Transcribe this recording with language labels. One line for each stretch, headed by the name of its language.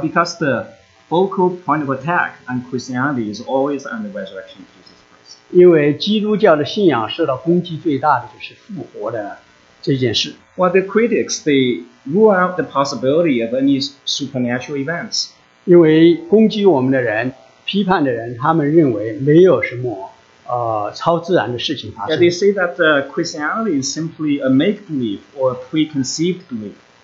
English: because the focal point of attack on Christianity is always on the resurrection of Jesus Christ.
Chinese: 因为基督教的信仰受到攻击最大的就是复活的这件事。
English: Well, the critics, they rule out the possibility of any supernatural events.
Chinese: 因为攻击我们的人，批判的人，他们认为没有什么超自然的事情发生。
English: Yeah, they say that Christianity is simply a make-believe or a preconceived belief.